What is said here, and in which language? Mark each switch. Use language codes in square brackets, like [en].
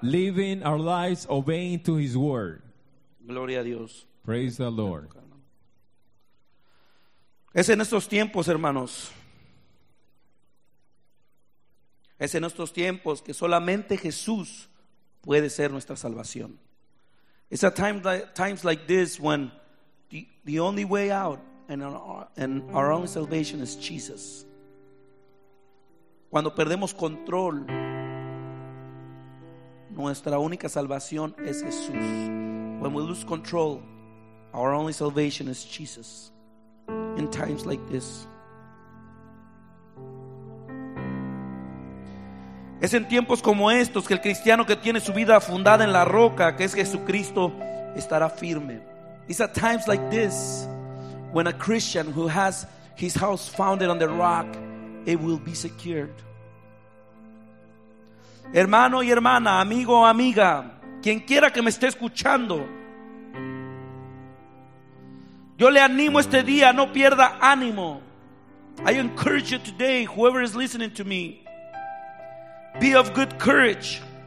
[en] Living our lives obeying to his word. [es] Gloria a Dios. [en] Praise the Lord. [es] Es en estos tiempos, hermanos. Es en estos tiempos que solamente Jesús puede ser nuestra salvación. [en] It's at times like this when the only way out and our only salvation is Jesus. [es] Cuando perdemos control, nuestra única salvación es Jesús. [en] When we lose control, our only salvation is Jesus. In times like this. [es] Es en tiempos como estos que el cristiano que tiene su vida fundada en la roca, que es Jesucristo, estará firme. [en] It's at times like this when a Christian who has his house founded on the rock, it will be secured. [es] Hermano y hermana, amigo o amiga, quien quiera que me esté escuchando, yo le animo este día, no pierda ánimo. [en] I encourage you today, whoever is listening to me, be of good courage.